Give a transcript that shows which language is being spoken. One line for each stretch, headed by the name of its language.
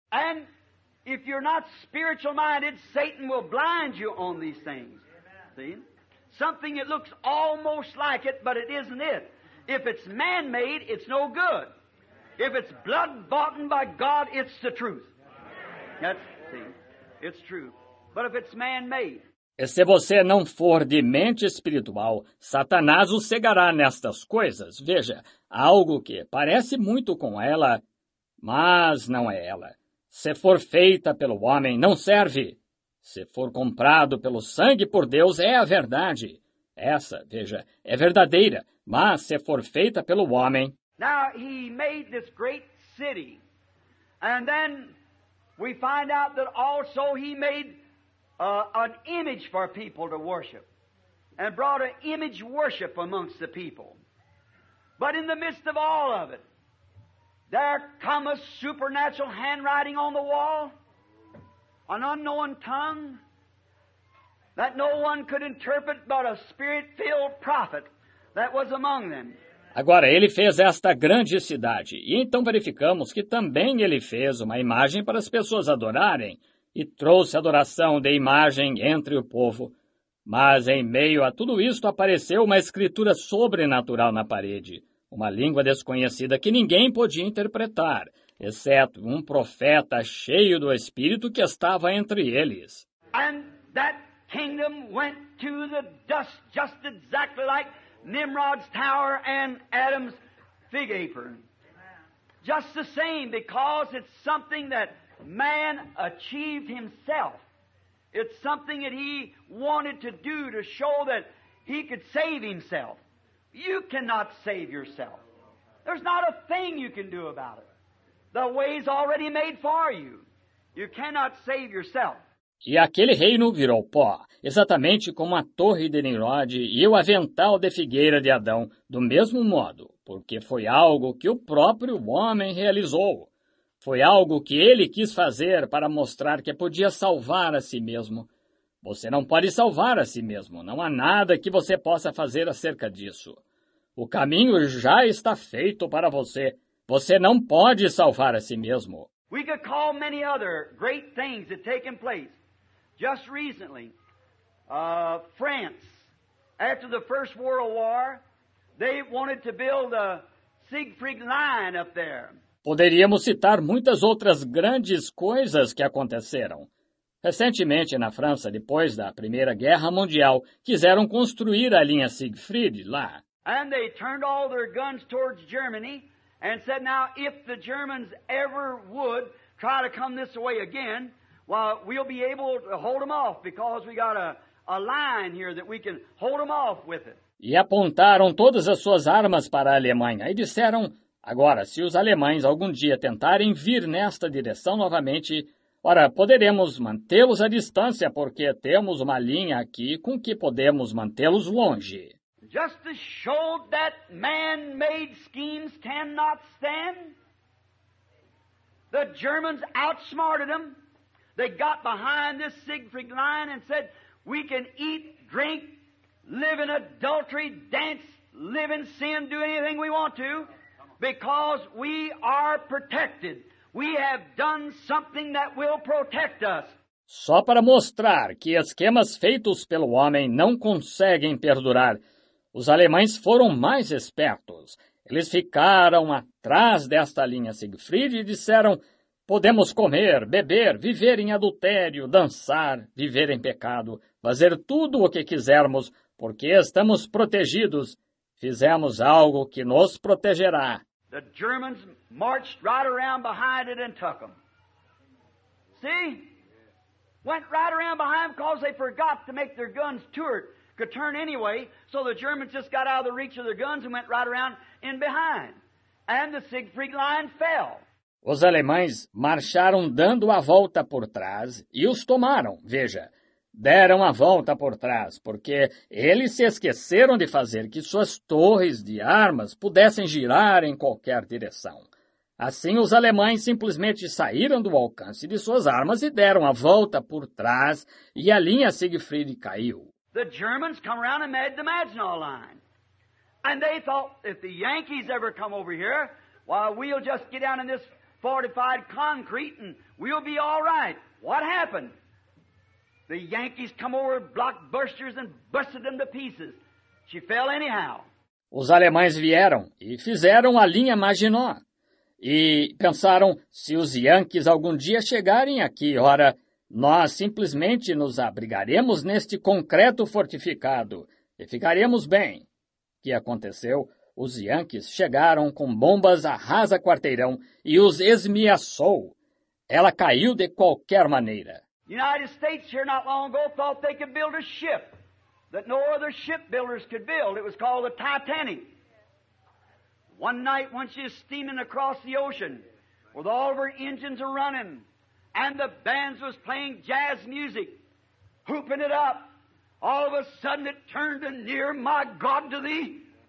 English: And if you're not spiritual minded, Satan will blind you on these things. See? Something that looks almost like it, but it isn't it. If it's man-made, it's no good. If it's blood-bought by God, it's the truth. That's, see, it's true. But if it's man-made.
Portuguese: E se você não for de mente espiritual, Satanás o cegará nestas coisas. Veja, algo que parece muito com ela, mas não é ela. Se for feita pelo homem, não serve. Se for comprado pelo sangue por Deus, é a verdade. Essa, veja, é verdadeira, mas se for feita pelo homem.
English: Now he made this great city. And then we find out that also he made an image for people to worship and brought an image worship amongst the people. But in the midst of all of it, there come a supernatural handwriting on the wall, an unknown tongue that no one could interpret but a spirit-filled prophet that was among them.
Portuguese: Agora, ele fez esta grande cidade, e então verificamos que também ele fez uma imagem para as pessoas adorarem, e trouxe adoração de imagem entre o povo. Mas em meio a tudo isto apareceu uma escritura sobrenatural na parede, uma língua desconhecida que ninguém podia interpretar, exceto um profeta cheio do Espírito que estava entre eles.
English: And that kingdom went to the dust just exactly like Nimrod's tower and Adam's fig apron. Just the same, because it's something that man achieved himself. It's something that he wanted to do to show that he could save himself. You cannot save yourself. There's not a thing you can do about it. The way's already made for you. You cannot save yourself.
Portuguese: E aquele reino virou pó, exatamente como a torre de Nimrod e o avental de figueira de Adão, do mesmo modo, porque foi algo que o próprio homem realizou. Foi algo que ele quis fazer para mostrar que podia salvar a si mesmo. Você não pode salvar a si mesmo, não há nada que você possa fazer acerca disso. O caminho já está feito para você. Você não pode salvar a si mesmo.
English: We could call many other great things that taken place. Just recently, France, after the First World War, they wanted to build a Siegfried Line up there.
Portuguese: Poderíamos citar muitas outras grandes coisas que aconteceram. Recentemente, na França, depois da Primeira Guerra Mundial, quiseram construir a linha Siegfried lá.
English: And they turned all their guns towards Germany and said, now, if the Germans ever would try to come this way again, well, we'll be able to hold them off because we got a line here that we can hold them off with it.
Portuguese: E apontaram todas as suas armas para a Alemanha e disseram, agora, se os alemães algum dia tentarem vir nesta direção novamente, ora, poderemos mantê-los à distância porque temos uma linha aqui com que podemos mantê-los longe.
English: Just to show that man-made schemes cannot stand, the Germans outsmarted them. They got behind this Siegfried Line and said, we can eat, drink, live in adultery, dance, live in sin, do anything we want to, because we are protected. We have done something that will protect us.
Portuguese: Só para mostrar que esquemas feitos pelo homem não conseguem perdurar, os alemães foram mais espertos. Eles ficaram atrás desta linha Siegfried e disseram, podemos comer, beber, viver em adultério, dançar, viver em pecado, fazer tudo o que quisermos, porque estamos protegidos. Fizemos algo que nos protegerá.
English: The Germans marched right around behind it and took them. See? Went right around behind them because they forgot to make their guns turret could turn anyway, so the Germans just got out of the reach of their guns and went right around in behind. And the Siegfried Line fell.
Portuguese: Os alemães marcharam dando a volta por trás e os tomaram, veja, deram a volta por trás, porque eles se esqueceram de fazer que suas torres de armas pudessem girar em qualquer direção. Assim, os alemães simplesmente saíram do alcance de suas armas e deram a volta por trás e a linha Siegfried caiu.
English: The Germans come around and made the Maginot Line. And they thought, if the Yankees ever come over here, why, we'll just get down in this fortified concrete and we'll be all right. What happened? The Yankees come over, blockbusters and busted them to pieces. She fell anyhow.
Portuguese: Os alemães vieram e fizeram a linha Maginot. E pensaram, se os Yankees algum dia chegarem aqui, ora, nós simplesmente nos abrigaremos neste concreto fortificado e ficaremos bem. O que aconteceu? Os Yankees chegaram com bombas a rasa quarteirão e os esmiaçou. Ela caiu de qualquer maneira.
English: United States here not long ago thought they could build a ship that no other shipbuilders could build. It was called the Titanic. One night when she was steaming across the ocean with all of her engines running and the bands was playing jazz music, hooping it up, all of a sudden it turned to near my God to thee.